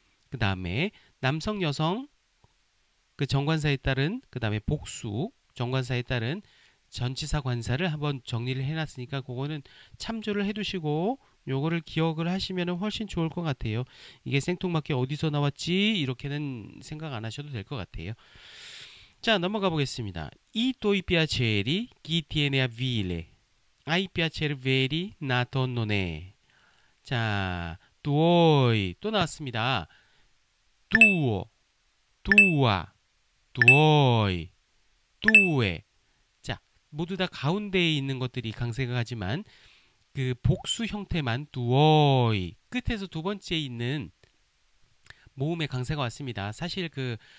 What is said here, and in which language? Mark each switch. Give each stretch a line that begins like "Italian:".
Korean: 그 다음에 남성, 여성, 그 정관사에 따른, 그 다음에 복수, 정관사에 따른 전치사 관사를 한번 정리를 해놨으니까 그거는 참조를 해두시고, 요거를 기억을 하시면 훨씬 좋을 것 같아요. 이게 생뚱맞게 어디서 나왔지? 이렇게는 생각 안 하셔도 될것 같아요. 자, 넘어가 보겠습니다.
Italian: I tuoi piaceri chi tiene a vile? Hai piaceri veri nato non è.
Korean: 자, tuoi 또 나왔습니다.
Italian: tuo, tua, tuoi, tue.
Korean: 자, 모두 다 가운데에 있는 것들이 강세가 가지만 그 복수 형태만 두어이 끝에서 두 번째 있는 모음에 강세가 왔습니다. 사실 그